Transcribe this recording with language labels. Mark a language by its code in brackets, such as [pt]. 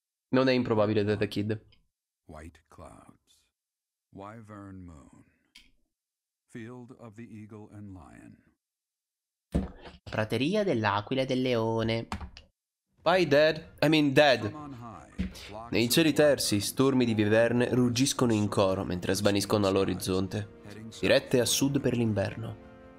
[it] Non è improbabile, The Kid. [en] White Cloud. Wyvern Moon, Field of the Eagle and Lion. [it] Prateria dell'Aquila e del Leone. [en] Bye, Dad. I mean, Dad. [it] Nei cieli tersi, stormi di viverne ruggiscono in coro mentre svaniscono all'orizzonte, dirette a sud per l'inverno.